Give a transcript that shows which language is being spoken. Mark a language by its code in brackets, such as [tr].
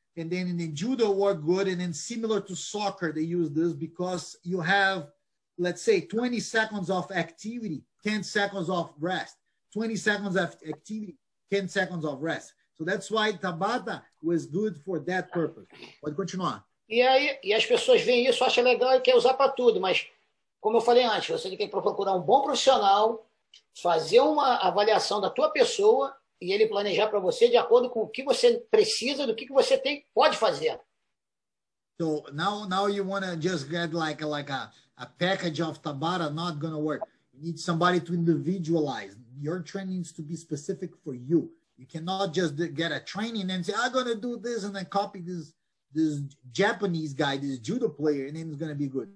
[en] And then in the judo were good, and then similar to soccer, they use this because you have, let's say, 20 seconds of activity, 10 seconds of rest, 20 seconds of activity, 10 seconds of rest. So that's why Tabata was good for that purpose. [pt] Pode continuar. E as pessoas veem isso, acham legal e querem usar para tudo. Mas, como eu falei antes, você tem que procurar um bom profissional, fazer uma avaliação da tua pessoa e ele planejar para você de acordo com o que você precisa, do que você tem, pode fazer. [en] So now you want to just get like a package of Tabata, not going to work. You need somebody to individualize. Your training needs to be specific for you. You cannot just get a training and say, I'm going to do this and then copy this Japanese guy, this judo player, and then it's going to be good.